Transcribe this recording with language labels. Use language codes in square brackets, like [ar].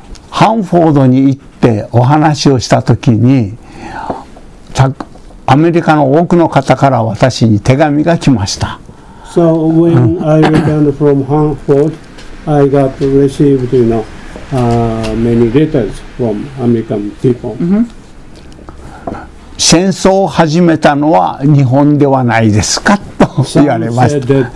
[ja] ハンフォードに行ってお話をしたときに、アメリカの多くの方から私に手紙が来ました。 [en] So when I returned from Hanford, I got received, you know, many letters from American people. [ja] 戦争を始めたのは日本ではないですかと言われました。